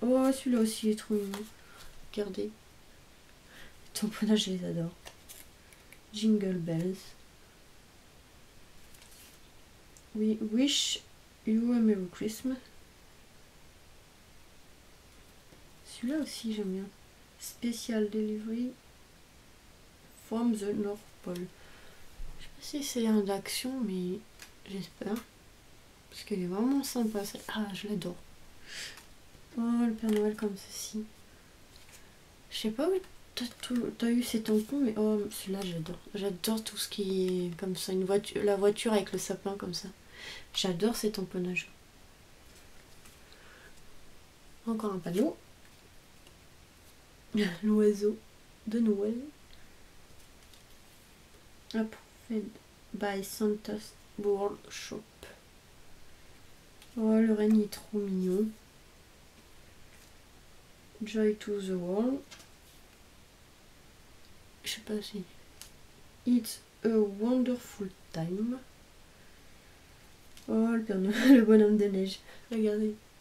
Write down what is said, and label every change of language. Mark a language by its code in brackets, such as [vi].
[fr] Oh, celui-là aussi, il est trop mignon. Regardez. Les tamponnages, je les adore. [en] Jingle bells. We wish you a Merry Christmas. [fr] Celui-là aussi, j'aime bien. [en] Special delivery from the North Pole. [fr] Si c'est un d'action, mais j'espère. Parce qu'elle est vraiment sympa. Ah, je l'adore. Oh, le Père Noël comme ceci. Je sais pas où t'as eu ces tampons, mais oh, celui-là, j'adore. J'adore tout ce qui est comme ça. Une voiture, la voiture avec le sapin comme ça. J'adore ces tamponnages. Encore un panneau. L'oiseau de Noël. [en] Approved by Santa's Workshop. [fr] Oh, le renne est trop mignon. [en] Joy to the world. [fr] Je sais pas si. [en] It's a wonderful time. [fr] Oh, le bonhomme de neige. Regardez.